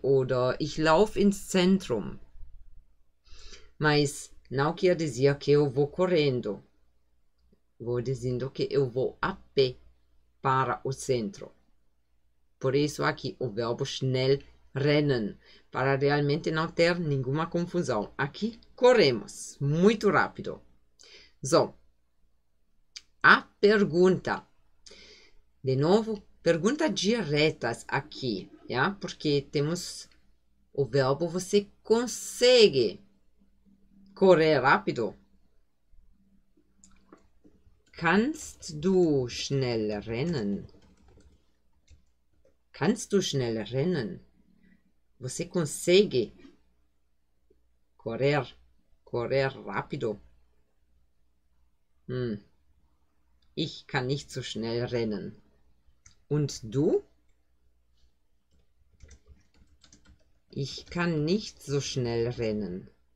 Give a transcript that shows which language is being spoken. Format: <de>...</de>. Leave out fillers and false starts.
<de>Oder ich laufe ins Zentrum.</de> <pt>Mas não quer dizer que eu vou correndo. Vou dizendo que eu vou a pé para o centro. Por isso aqui o verbo</pt> <de>schnell rennen,</de> <pt>para realmente não ter nenhuma confusão. Aqui corremos muito rápido. So, a pergunta. De novo, pergunta diretas aqui, já? Porque temos o verbo você consegue correr rápido?</pt> <de>Kannst du schnell rennen? Kannst du schnell rennen?</de> <pt>Você consegue correr rápido?</pt> <de>Ich kann nicht so schnell rennen. Und du? Ich kann nicht so schnell rennen.</de>